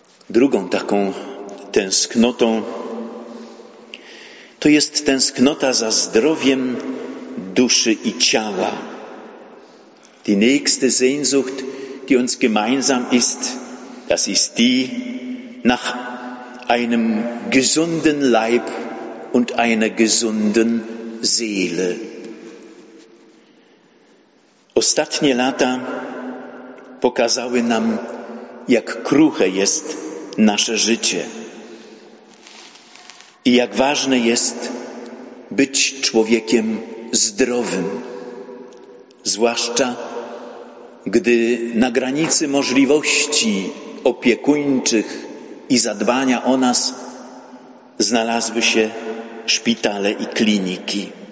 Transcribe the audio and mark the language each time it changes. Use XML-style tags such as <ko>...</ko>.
<pl>Drugą taką tęsknotą to jest tęsknota za zdrowiem duszy i ciała.</pl> <de>Die nächste Sehnsucht, die uns gemeinsam ist, das ist die nach einem gesunden Leib und einer gesunden Seele.</de> <pl>Ostatnie lata pokazały nam, jak kruche jest nasze życie i jak ważne jest być człowiekiem zdrowym, zwłaszcza gdy na granicy możliwości opiekuńczych i zadbania o nas znalazły się szpitale i kliniki.</pl>